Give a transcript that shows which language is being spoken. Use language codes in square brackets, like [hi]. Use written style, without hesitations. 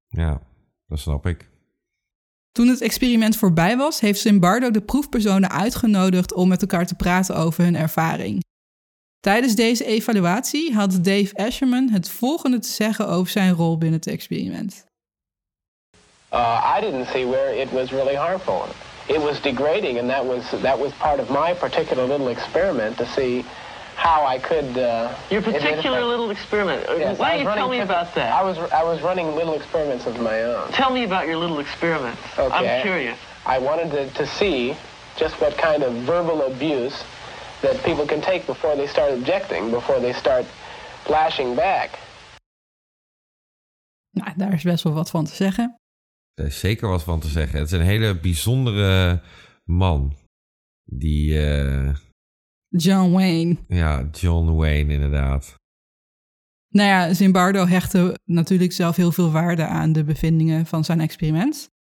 [nl] Ja, dat snap ik. Toen het experiment voorbij was, heeft Zimbardo de proefpersonen uitgenodigd om met elkaar te praten over hun ervaring. Tijdens deze evaluatie had Dave Asherman het volgende te zeggen over zijn rol binnen het experiment. [en] I didn't see where it was really harmful. It was degrading and that was part of my particular little experiment to see how I could... Your particular little experiment? Yes, why don't you tell me about that? I was running little experiments of my own. Tell me about your little experiments. Okay. I'm curious. I wanted to see just what kind of verbal abuse that people can take before they start objecting, before they start lashing back. [nl] Nou, daar is best wel wat van te zeggen. Er is zeker wat van te zeggen. Het is een hele bijzondere man. Die... John Wayne. Ja, John Wayne inderdaad. Nou ja, Zimbardo hechtte natuurlijk zelf heel veel waarde aan de bevindingen van zijn experiment.